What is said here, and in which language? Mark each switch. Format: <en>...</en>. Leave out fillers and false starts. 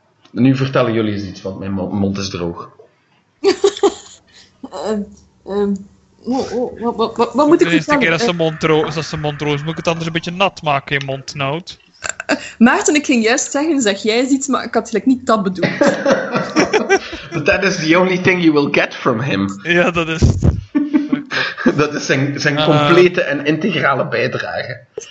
<nl>Nu vertellen jullie eens iets, want mijn mond is droog. Wat moet ik vertellen? De keer als de mond droog is, moet ik het anders een beetje nat maken in mond, Noud? Maarten, ik ging juist zeggen, zeg jij eens iets, maar ik had gelijk niet dat bedoeld.</nl> <en>But that is the only thing you will get from him.</en> <nl>Ja, dat is... Dat is zijn complete en integrale bijdrage.</nl>